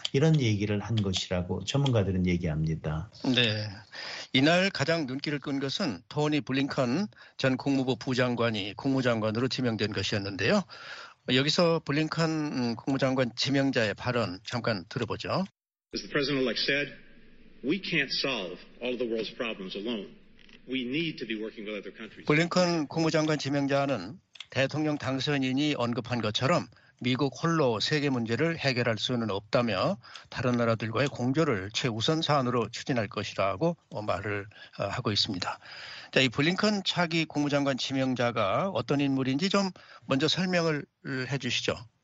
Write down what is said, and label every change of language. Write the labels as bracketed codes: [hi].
[ko] 이런 얘기를 한 것이라고 전문가들은 얘기합니다. 네. 이날 가장 눈길을 끈 것은 토니 블링컨 전 국무부 부장관이 국무장관으로 지명된 것이었는데요. 여기서 블링컨 국무장관 지명자의 발언 잠깐 들어보죠. [en] As the president-elect said, we can't solve all the world's problems alone. We need to be working with other countries. [ko] 블링컨 국무장관 지명자는 대통령 당선인이 언급한 것처럼 미국 홀로 세계 문제를 해결할 수는 없다며 다른 나라들과의 공조를 최우선 사안으로 추진할 것이라고 말을 하고 있습니다. 자, 이 블링컨 차기 국무장관 지명자가 어떤 인물인지 좀 먼저 설명을 해주시죠.